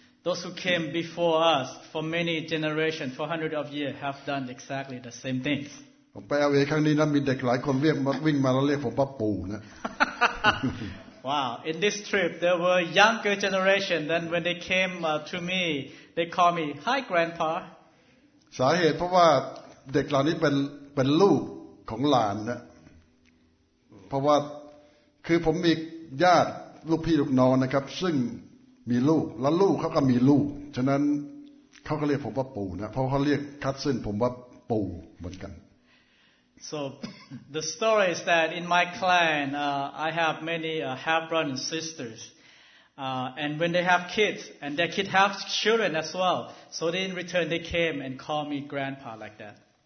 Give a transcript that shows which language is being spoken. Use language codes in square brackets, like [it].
[en] Those who came before us for many generations for hundreds of years have done exactly the same things [th] ผมไปเอาเวครั้งนี้นะมีเด็กหลายคนเรียกมาวิ่งมาแล้วเรียกผมป้าปู่นะ [en] Wow in this trip there were younger generation than when they came to me they call me hi grandpa [th] สาเหตุเพราะว่าเด็กเหล่านี้เป็นลูกของหลานนะเพราะว่าคือผมมีญาติลูกพี่ลูกน้องนะครับซึ่งมีลูกแล้วลูกเขาก็มีลูกฉะนั้นเขาก็เรียกผมป้าปู่นะเพราะเขาเรียกคัดซึ่งผมว่าปู่เหมือนกัน [en] So the story is that in my clan, I have many half-brothers and sisters. And when they have kids, and their kids have children as well, so in return they came and called me grandpa like that.